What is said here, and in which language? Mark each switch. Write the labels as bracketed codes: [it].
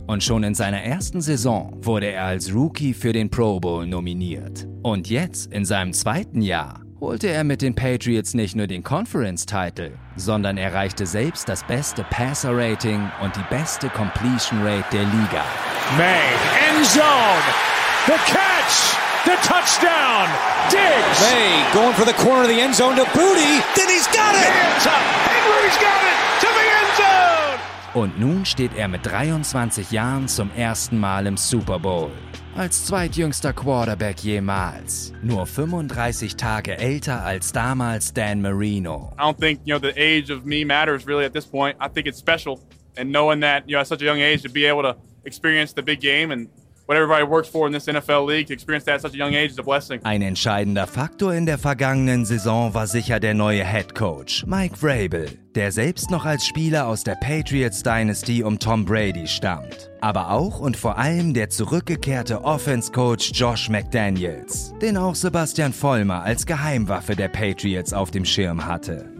[de] Und schon in seiner ersten Saison wurde er als Rookie für den Pro Bowl nominiert. Und jetzt, in seinem 2. Jahr, holte er mit den Patriots nicht nur den Conference-Title, sondern erreichte selbst das beste Passer-Rating und die beste Completion-Rate der Liga. [en] May, end zone, the catch, the touchdown, Diggs. May, going for the corner of the end zone to Booty, then he's got it. Hands up, and Booty's got it, to the end zone. [de] Und nun steht er mit 23 Jahren zum ersten Mal im Super Bowl. Als zweitjüngster Quarterback jemals. Nur 35 Tage älter als damals Dan Marino. [en] I don't think, you know, the age of me matters really at this point. I think it's special. And knowing that, you know, at such a young age to be able to experience the big game and what everybody works for in this NFL league, to experience that at such a young age is a blessing. [de] Ein entscheidender Faktor in der vergangenen Saison war sicher der neue Head Coach, Mike Vrabel, der selbst noch als Spieler aus der Patriots Dynasty um Tom Brady stammt. Aber auch und vor allem der zurückgekehrte Offense-Coach Josh McDaniels, den auch Sebastian Vollmer als Geheimwaffe der Patriots auf dem Schirm hatte.